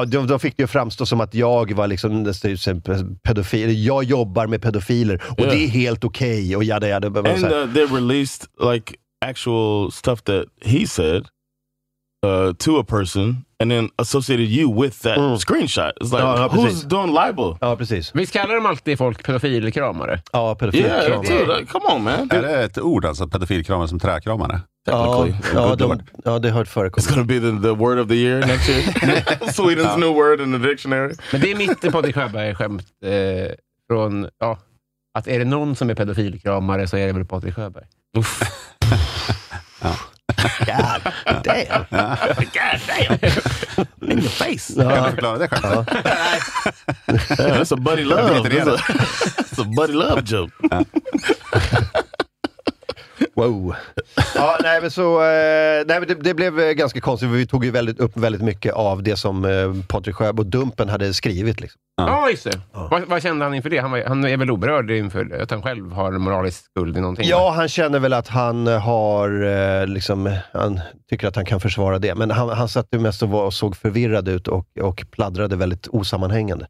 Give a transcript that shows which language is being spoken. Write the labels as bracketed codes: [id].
[sv] De fick det ju framstå som att jag var liksom pedofil. Jag jobbar med pedofiler, och yeah. Det är helt okej. Okay, och jada. [en] And they released like actual stuff that he said to a person, and then associated you with that screenshot. It's like, who's doing libel? [sv] Ja, precis. Visst kallar de alltid folk pedofilkramare? Ja, pedofilkramare. [en] Yeah, come on, man. [sv] Är det ett ord alltså, pedofilkramare som träkramare? Ja, det har hört förekomma. [en] It's gonna be the word of the year next year. Sweden's new word in the dictionary. [sv] Men det är mitt på det Sjöberg-skämt från, ja, att är det någon som är pedofilkramare så är det väl Patrik Sjöberg. [en] Uff. Ja. God damn. God damn. In your face. [sv] Ja. Jag kan förklara det själv. [en] That's a buddy love. It's a buddy love joke. Wow. [sv] Ja, nej, men så det blev ganska konstigt. Vi tog ju väldigt upp väldigt mycket av det som Patrik Sjöberg och Dumpen hade skrivit liksom. Ja, just det. Vad kände han inför det? Han är väl oberörd inför att han själv har moralisk skuld i någonting. Ja, han känner väl att han har liksom, han tycker att han kan försvara det, men han satt ju mest och såg förvirrad ut och pladdrade väldigt osammanhängande.